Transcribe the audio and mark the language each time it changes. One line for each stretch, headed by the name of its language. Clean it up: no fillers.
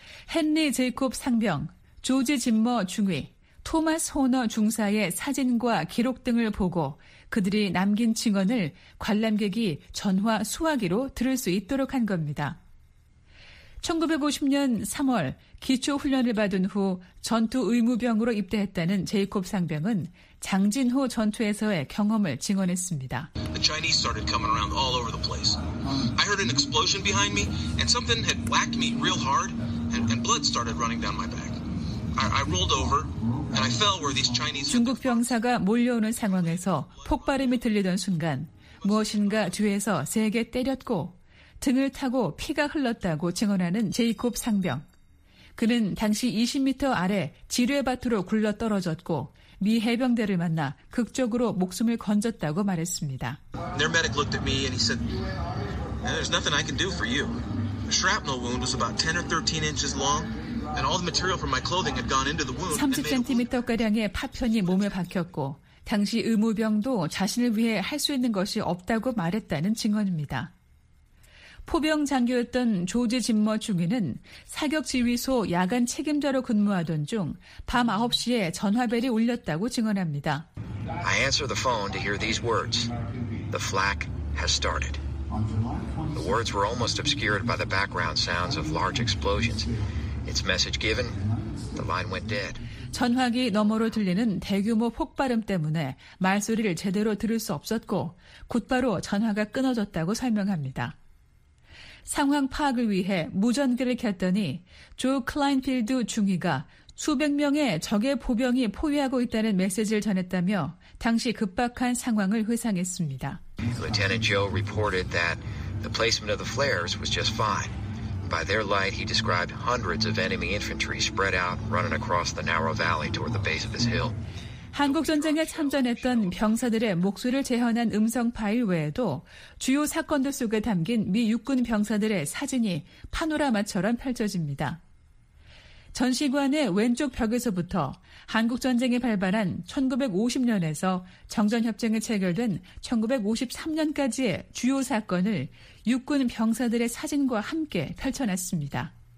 Korean: 헨리 제이콥 상병, 조지 짐머 중위, 토마스 호너 중사의 사진과 기록 등을 보고 그들이 남긴 증언을 관람객이 전화 수화기로 들을 수 있도록 한 겁니다. 1950년 3월 기초훈련을 받은 후 전투 의무병으로 입대했다는 제이콥 상병은 장진호 전투에서의 경험을 증언했습니다.
English: The Chinese started coming around all over the place. I heard an explosion behind me and something had whacked me real hard and blood started running down my back.
Korean: I rolled over and I fell where these Chinese 중국 병사가 몰려오는 상황에서 폭발음이 들리던 순간 무엇인가 뒤에서 세게 때렸고 등을 타고 피가 흘렀다고 증언하는 제이콥 상병. 그는 당시 20m 아래 지뢰밭으로 굴러 떨어졌고 미 해병대를 만나 극적으로 목숨을 건졌다고 말했습니다.
English: Their medic looked at me and he said, "There's nothing I can do for you. A shrapnel wound was about 10 or 13 inches long, and all the material from my clothing had gone into the wound."
Korean: 30cm 가량의 파편이 몸에 박혔고 당시 의무병도 자신을 위해 할 수 있는 것이 없다고 말했다는 증언입니다. 포병 장교였던 조지 짐머 중위는 사격지휘소 야간 책임자로 근무하던 중 밤 9시에 전화벨이 울렸다고 증언합니다.
English: I answer the phone to hear these words. The flak has started. The words were almost obscured by the background sounds of large explosions. Its message given, the line went dead.
Korean: 전화기 너머로 들리는 대규모 폭발음 때문에 말소리를 제대로 들을 수 없었고 곧바로 전화가 끊어졌다고 설명합니다. 상황 파악을 위해 무전기를 켰더니 조 클라인필드 중위가 수백 명의 적의 보병이 포위하고 있다는 메시지를 전했다며 당시 급박한 상황을 회상했습니다.
English: Lieutenant Joe reported that the placement of the flares was just fine. By their light, he described hundreds of enemy infantry spread out running across the narrow valley toward the base of his hill.
Korean: 한국전쟁에 참전했던 병사들의 목소리를 재현한 음성 파일 외에도 주요 사건들 속에 담긴 미 육군 병사들의 사진이 파노라마처럼 펼쳐집니다. 전시관의 왼쪽 벽에서부터 한국전쟁이 발발한 1950년에서 정전협정이 체결된 1953년까지의 주요 사건을 육군 병사들의 사진과 함께 펼쳐놨습니다.